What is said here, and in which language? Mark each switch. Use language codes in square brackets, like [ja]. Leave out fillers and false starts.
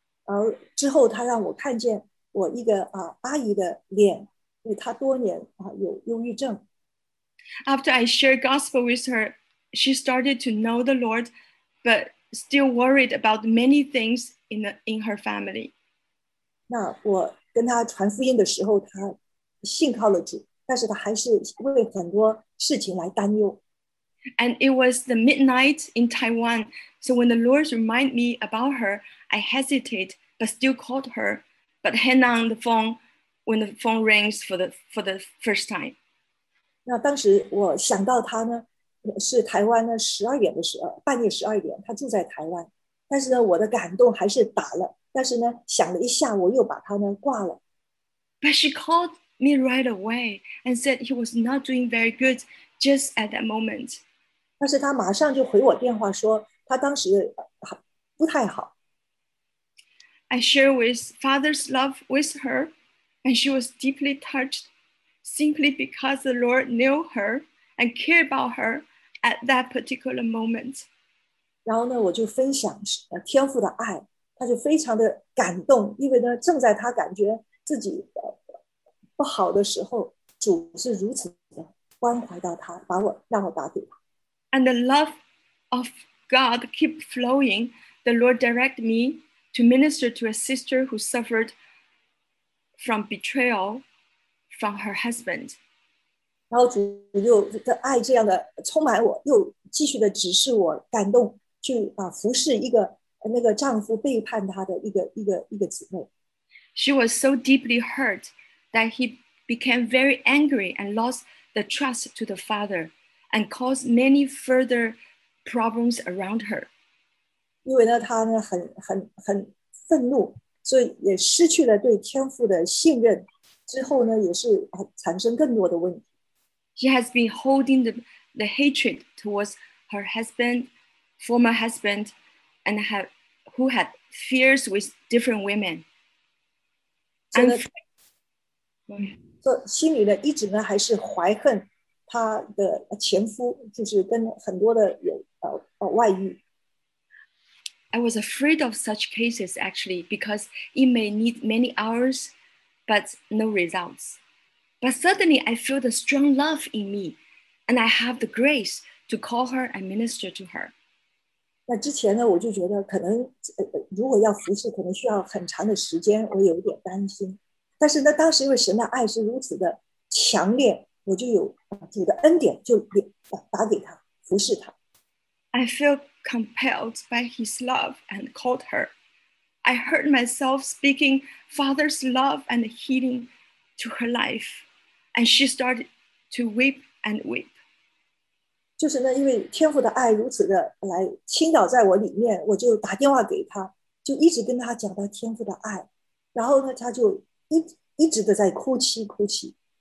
[en] After that, he showed me the face of my auntie, who lived in Taiwan, who suffered depression After I shared gospel with her, she started to know the Lord, but still worried about many things in her family. [zh] 那我跟她传福音的时候，她信靠了主，但是她还是为很多事情来担忧。 [en] And it was the midnight in Taiwan, so when the Lord reminded me about her, I hesitate, but still called her, but hang on the phone when the phone rings for the first time. [zh] 那当时我想到他呢，是台湾呢十二点的时候，半夜十二点，他住在台湾。但是呢，我的感动还是打了。但是呢，想了一下，我又把他呢挂了。 [en] But she called me right away and said he was not doing very good just at that moment. [zh] 但是他马上就回我电话说他当时不太好。 [en] I shared with Father's love with her, and she was deeply touched. Simply because the Lord knew her and cared about her at that particular moment. [zh] 然后呢，我就分享天父的爱，他就非常的感动，因为呢，正在他感觉自己不好的时候，主是如此的关怀到他，把我让我打给他。 [en] And the love of God keep flowing. The Lord direct me to minister to a sister who suffered from betrayal. From her husband. [zh] 然后主又的爱这样的充满我，又继续的指示我感动去服侍一个那个丈夫背叛她的一个姊妹。 [en] She was so deeply hurt that he became very angry and lost the trust to the father, and caused many further problems around her. [zh] 因为呢，她呢很愤怒，所以也失去了对天父的信任。之后呢，也是产生更多的问题。 [en] She has been holding the hatred towards her husband, former husband, and who had fears with different women. [zh] 所以心里呢，一直呢还是怀恨她的前夫，就是跟很多的有外遇。 [en] I was afraid of such cases actually because it may need many hours. But no results. But suddenly I feel the strong love in me, and I have the grace to call her and minister to her. [zh] 那之前呢，我就觉得可能如果要服侍，可能需要很长的时间，我有点担心。但是呢，当时因为神的爱是如此的强烈，我就有主的恩典，就打给他服侍他。 [en] I feel compelled by His love and called her. I heard myself speaking Father's love and healing to her life, and she started to weep and weep. [zh] 就是呢，因为天父的爱如此的来倾倒在我里面，我就打电话给他，就一直跟他讲到天父的爱，然后呢，他就一直的在哭泣哭泣。